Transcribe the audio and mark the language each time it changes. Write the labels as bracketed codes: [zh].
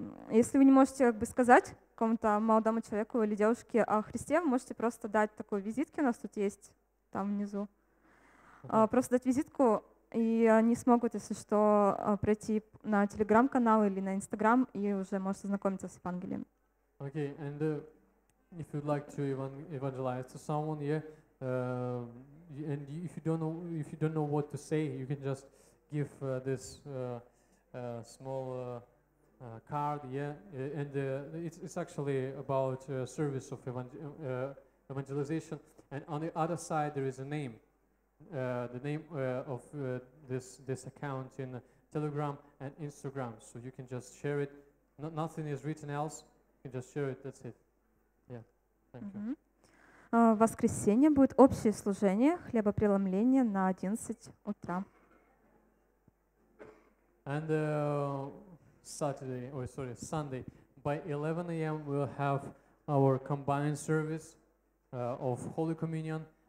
[ru] Если вы не можете как бы сказать какому-то молодому человеку или девушке о Христе, вы можете просто дать такую визитку, у нас тут есть там внизу. Просто дать визитку. И они смогут, если что, пройти на телеграм-канал или на инстаграм, и уже можете ознакомиться с Евангелием. [en] Okay, and if you'd like to evangelize to someone, yeah, and if you don't know what to say, you can just give this small card, yeah, and it's actually about service of evangelization, and on the other side there is a name. The name of this account in Telegram and Instagram, so you can just share it. Nothing is written else. You can just share it. That's it. Yeah. Thank you. [ru] В воскресенье будет общее служение хлебопреломления на 11 утра. [en] And Saturday, or sorry, Sunday, by 11 a.m. we'll have our combined service of Holy Communion.